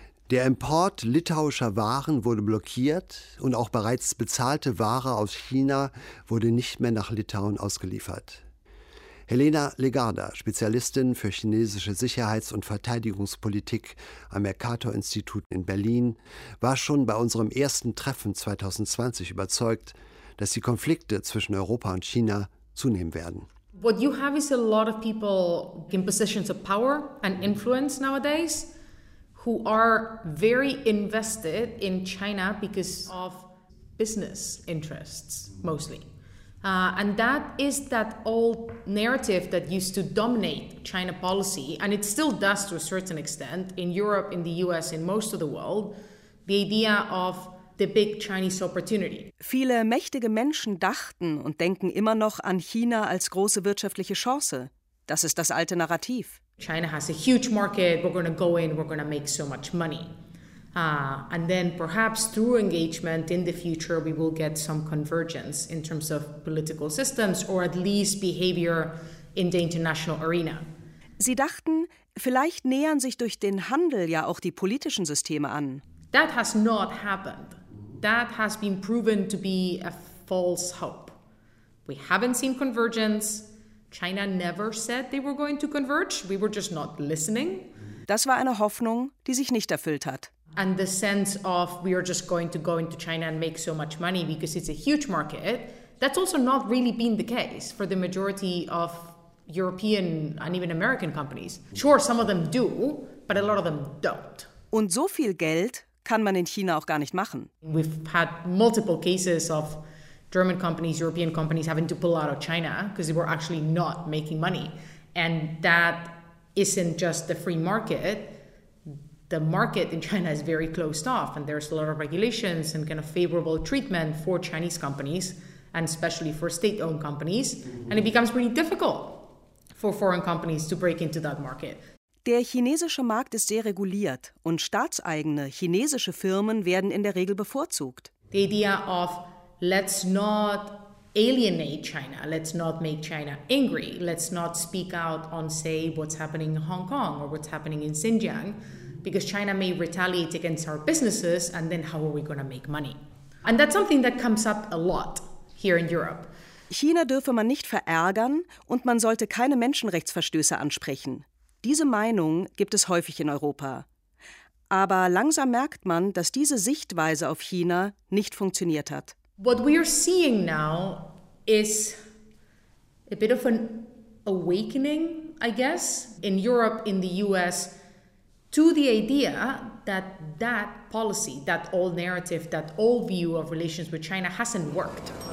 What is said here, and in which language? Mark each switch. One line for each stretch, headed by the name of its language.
German: Der Import litauischer Waren wurde blockiert und auch bereits bezahlte Ware aus China wurde nicht mehr nach Litauen ausgeliefert. Helena Legarda, Spezialistin für chinesische Sicherheits- und Verteidigungspolitik am Mercator-Institut in Berlin, war schon bei unserem ersten Treffen 2020 überzeugt, dass die Konflikte zwischen Europa und China zunehmen werden.
English: What you have is a lot of people in positions of power and influence nowadays, who are very invested in China because of business interests, mostly. And that is that old narrative that used to dominate China policy, and it still does to a certain extent in Europe, in the US, in most of the world, the idea of the big Chinese opportunity.
German: Viele mächtige Menschen dachten und denken immer noch an China als große wirtschaftliche Chance. Das ist das alte Narrativ.
English: China has a huge market, we're going to go in, we're going to make so much money. And then perhaps through engagement in the future, we will get some convergence in terms of political systems or at least behavior in the international arena.
German: Sie dachten, vielleicht nähern sich durch den Handel ja auch die politischen Systeme an.
English: That has not happened. That has been proven to be a false hope. We haven't seen convergence. China never said they were going to converge. We were just not listening.
German: Das war eine Hoffnung, die sich nicht erfüllt hat.
English: And the sense of we are just going to go into China and make so much money because it's a huge market, that's also not really been the case for the majority of European and even American companies. Sure, some of them do, but a lot of them don't.
German: Und so viel Geld kann man in China auch gar nicht machen.
English: We've had multiple cases of German companies, European companies having to pull out of China because they were actually not making money. And that isn't just the free market. The market in China is very closed off and there's a lot of regulations and kind of favorable treatment for Chinese companies and especially for state-owned companies. And it becomes pretty difficult for foreign companies to break into that market.
German: Der chinesische Markt ist sehr reguliert und staatseigene chinesische Firmen werden in der Regel bevorzugt.
English: The idea of let's not alienate China, let's not make China angry, let's not speak out on, say, what's happening in Hong Kong or what's happening in Xinjiang, because China may retaliate against our businesses, and then how are we going to make money? And that's something that comes up a lot here in Europe.
German: China dürfe man nicht verärgern und man sollte keine Menschenrechtsverstöße ansprechen. Diese Meinung gibt es häufig in Europa. Aber langsam merkt man, dass diese Sichtweise auf China nicht funktioniert hat.
English: What we are seeing now is a bit of an awakening, I guess, in Europe, in the US, to the idea that that policy, that old narrative, that old view of relations with China hasn't worked.